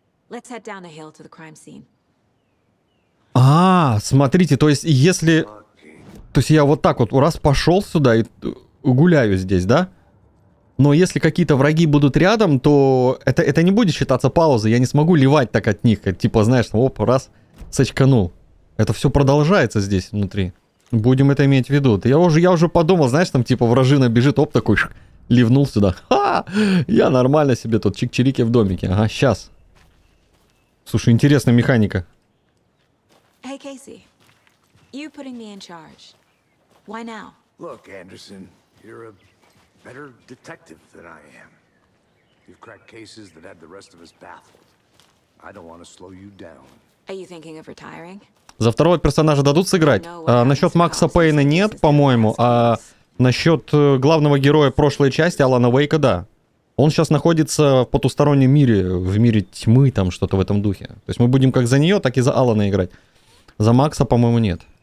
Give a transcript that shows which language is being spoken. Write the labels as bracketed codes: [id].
[en] Let's head down the hill to the crime scene. [ru] А, смотрите, то есть если... То есть я вот так вот раз пошел сюда и гуляю здесь, да? Но если какие-то враги будут рядом, то это не будет считаться паузой. Я не смогу ливать так от них. Типа, знаешь, оп, раз, сочканул. Это все продолжается здесь внутри. Будем это иметь в виду. Я уже подумал, знаешь, там типа вражина бежит, оп, такой шик, ливнул сюда. Ха! Я нормально себе тут чик-чирики в домике. Ага, сейчас. Слушай, интересная механика. [en] Hey, Casey. You putting me in charge. Why now? Look, Anderson, you're a better detective than I am. You've cracked cases that had the rest of us baffled. I don't want to slow you down. Are you thinking of retiring? [ru] За второго персонажа дадут сыграть? А, насчет Макса Пейна нет, по-моему, а насчет главного героя прошлой части, Алана Вейка, да. Он сейчас находится в потустороннем мире, в мире тьмы, там что-то в этом духе. То есть мы будем как за нее, так и за Алана играть. За Макса, по-моему, нет.